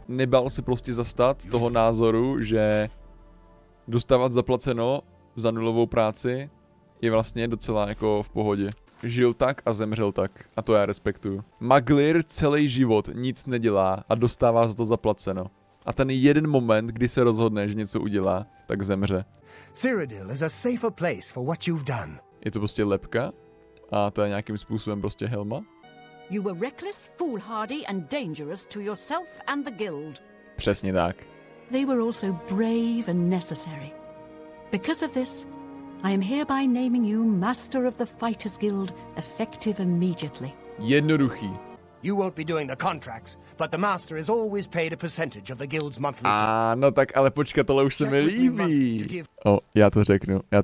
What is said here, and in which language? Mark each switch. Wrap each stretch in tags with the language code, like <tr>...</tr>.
<cs>Nebál se prostě zastat toho názoru, že dostávat zaplaceno za nulovou práci je vlastně docela jako v pohodě. Žil tak a zemřel tak. A to já respektuju. Maglir celý život nic nedělá a dostává za to zaplaceno. A ten jeden moment, kdy se rozhodne, že něco udělá, tak zemře.</cs> <en>Cyrodiil is a safer place for what you've done.</en> <cs>Je to prostě lepka? A to je nějakým způsobem prostě helma?</cs> <en>You were reckless, foolhardy and dangerous to yourself and the guild.</en> <cs>Přesně tak.</cs> <en>They were also brave and necessary. Because of this, I am hereby naming you master of the Fighters Guild effective immediately.</en> <cs>Jednoduchý.</cs> <en>You won't be doing the contracts, but the master is always paid a percentage of the guild's monthly.</en> <cs>No tak ale počkat, tohle už se mi líbí. Já to řeknu.</cs>